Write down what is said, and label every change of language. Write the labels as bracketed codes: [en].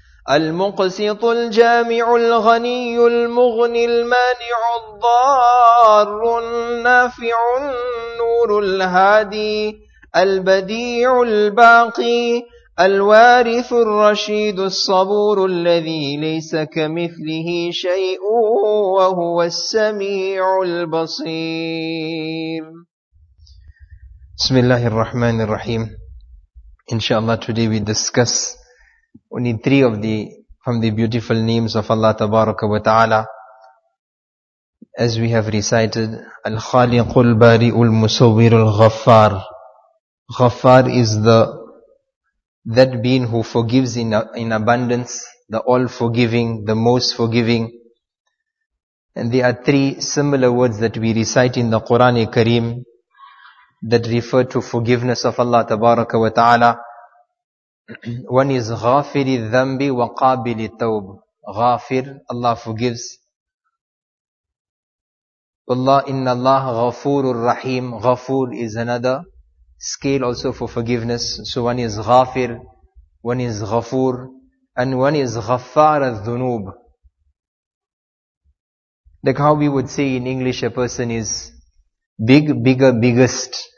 [ar] المقسط الجامع الغني المغني المانع الضار النافع النور الهادي البديع الباقي الوارث الرشيد الصبور الذي ليس كمثله شيء وهو السميع البصير. بسم الله الرحمن الرحيم. إن شاء الله [en] today we discuss only three of the from the beautiful names of Allah Tabaraka wa Ta'ala, as we have recited, Al-Khaliqul Bari'ul Musawwirul Ghaffar. Ghaffar is that being who forgives in abundance, the all-forgiving, the most forgiving. And there are three similar words that we recite in the Qur'an Kareem that refer to forgiveness of Allah Tabaraka wa Ta'ala. One is [ar] غافر الذنب وقابل التوب. [en] غافر, Allah forgives. [ar] والله إن الله غفور الرحيم. [en] غفور is another scale also for forgiveness. So one is غافر, one is غفور, and one is [ar] غفار الذنوب. [en] Like how we would say in English, a person is big, bigger, biggest.